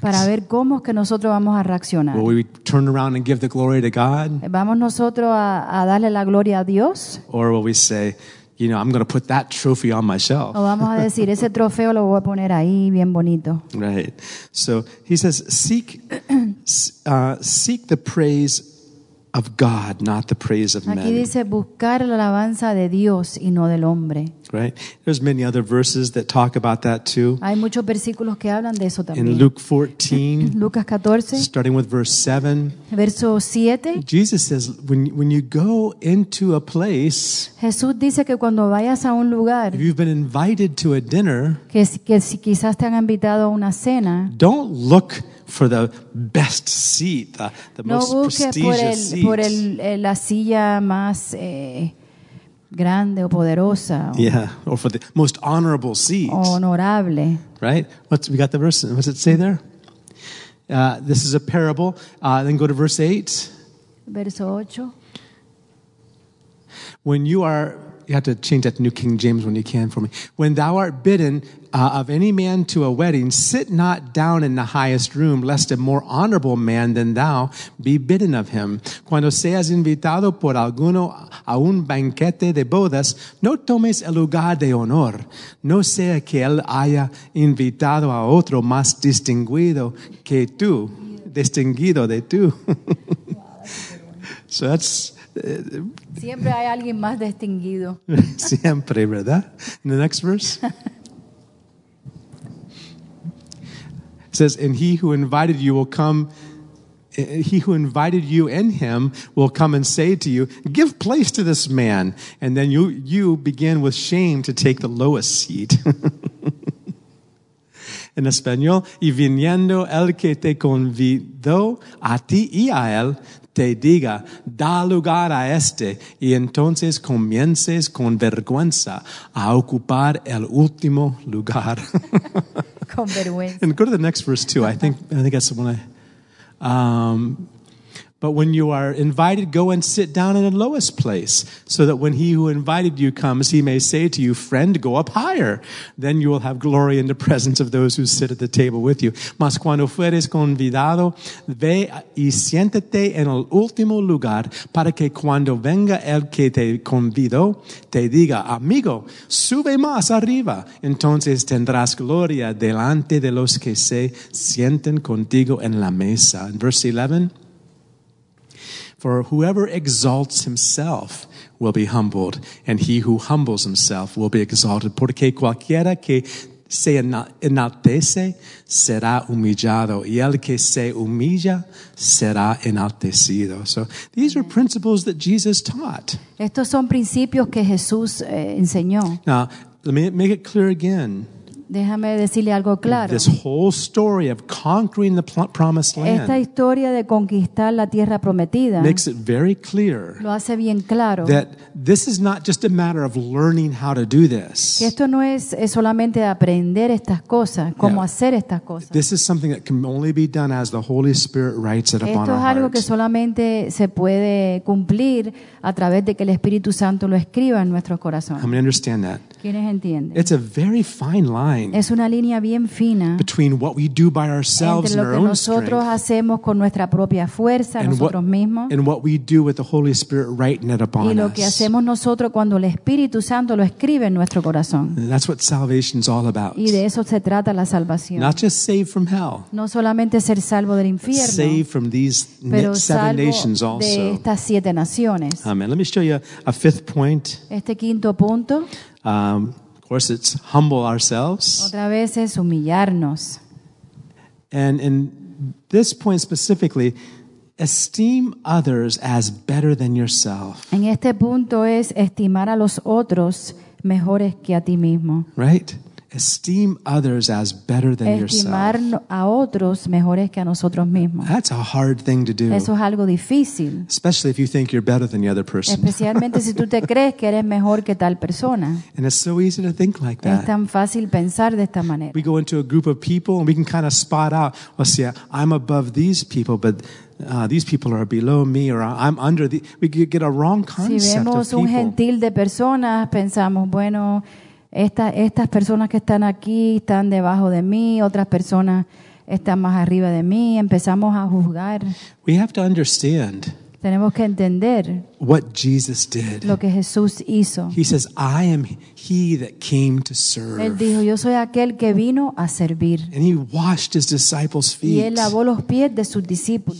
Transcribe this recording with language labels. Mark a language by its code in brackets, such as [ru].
[es] Para ver cómo es que nosotros vamos a reaccionar. [en] Will we turn around and give the glory to God? [es] ¿Vamos nosotros a darle la gloria a Dios? [en] Or will we say, you know, I'm going to put that trophy on my shelf. [es] O vamos a decir, ese trofeo lo voy a poner ahí bien bonito. [en] Right. So he says, seek the praise of God, not the praise of men. [es] Aquí dice buscar la alabanza de Dios y no del hombre. [en] Right? There's many other verses that talk about that too. [es] Hay muchos versículos que hablan de eso también. [en] In Luke 14, [es] Lucas 14, [en] starting with verse 7, [es] verso 7, [en] Jesus says, when you go into a place, [es] Jesús dice que cuando vayas a un lugar, [en] if you've been invited to a dinner, [es] que si quizás te han invitado a una cena, [en] don't look for the best seat, the [es] no [en] most [es] busques [en] prestigious [es] por el, [en] seat. [es] Por el, la silla más grande o poderosa. [en] Yeah, or for the most honorable seat. [es] Honorable. [en] Right? What's, we got the verse. What does it say there? This is a parable. Then go to verse 8. [es] Verso 8. [en] When you are... You have to change that to New King James when you can for me. When thou art bidden of any man to a wedding, sit not down in the highest room, lest a more honorable man than thou be bidden of him. [es] Cuando seas invitado por alguno a un banquete de bodas, no tomes el lugar de honor. No sea que él haya invitado a otro más distinguido que tú. Distinguido de tú. [en] So that's... Siempre hay alguien más distinguido. [es] Siempre, ¿verdad? [en] In the next verse. It says, and he who invited you will come, he who invited you and him will come and say to you, give place to this man. And then you begin with shame to take the lowest seat. [es] En español, y viniendo el que te convidó a ti y a él, te diga, da lugar a este, y entonces comiences con vergüenza a ocupar el último lugar. Con vergüenza. [en] And go to the next verse too. I think that's the one. But when you are invited, go and sit down in the lowest place, so that when he who invited you comes, he may say to you, friend, go up higher. Then you will have glory in the presence of those who sit at the table with you. [es] Mas cuando fueres convidado, ve y siéntate en el último lugar, para que cuando venga el que te convidó, te diga, amigo, sube más arriba. Entonces tendrás gloria delante de los que se sienten contigo en la mesa. [en] In verse 11. For whoever exalts himself will be humbled, and he who humbles himself will be exalted. [es] Porque cualquiera que se enaltece será humillado, y el que se humilla será enaltecido. [en] So these are principles that Jesus taught. [es] Estos son principios que Jesús enseñó. [en] Now, let me make it clear again. [es] Déjame decirle algo claro. [en] This whole story of conquering the promised land. [es] Esta historia de conquistar la tierra prometida. [en] Makes it very clear. [es] Lo hace bien claro. [en] That this is not just a matter of learning how to do this. [es] Que esto no es solamente aprender estas cosas, cómo hacer estas cosas. [en] This is something that can only be done as the Holy Spirit writes it upon our hearts. [es] Esto es algo que solamente se puede cumplir a través de que el Espíritu Santo lo escriba en nuestros corazones. [en] How many understand that? [es] ¿Quiénes entienden? [en] It's a very fine line. [es] Es una línea bien fina [en] between what we do by ourselves [es] entre lo que [en] and our own [es] nosotros [en] strength, [es] hacemos con nuestra propia fuerza [en] and [es] nosotros [en] what, [es] mismos [en] and what we do with the Holy Spirit writing it upon [es] y lo [en] us. [es] Que hacemos nosotros cuando el Espíritu Santo lo escribe en nuestro corazón. [en] And that's what salvation is all about. [es] Y de eso se trata la salvación. [en] Not just saved from hell, [es] no solamente ser salvo del infierno, [en] saved from these [es] pero [en] seven [es] salvo [en] nations [es] de [en] also. [es] Estas siete naciones. [en] Amen. Let me show you a fifth point. [es] Este quinto punto. [en] Of course, it's humble ourselves. [es] Otra vez es humillarnos. [en] And in this point specifically, esteem others as better than yourself. [es] En este punto es estimar a los otros mejores que a ti mismo. [en] Right? Esteem others as better than [es] estimar [en] yourself. [es] Estimar a otros mejores que a nosotros mismos. [en] That's a hard thing to do. [es] Eso es algo difícil. [en] Especially if you think you're better than the other person. [es] Especialmente si tú te crees que eres mejor que tal persona. [en] And it's so easy to think like that. [es] Es tan fácil pensar de esta manera. [en] We go into a group of people and we can kind of spot out, well, see, I'm above these people, but these people are below me, or I'm under the. We get a wrong concept [es] si vemos [en] of people. [es] Un gentil de personas, pensamos, bueno. Estas personas que están aquí están debajo de mí, otras personas están más arriba de mí, empezamos a juzgar. [en] We have to understand. [es] Tenemos que entender [en] what Jesus did. [es] Lo que Jesús hizo. [en] He says, I am he that came to serve. [es] Él dijo, yo soy aquel que vino a servir. [en] And he washed his disciples' feet. [es] Y él lavó los pies de sus discípulos.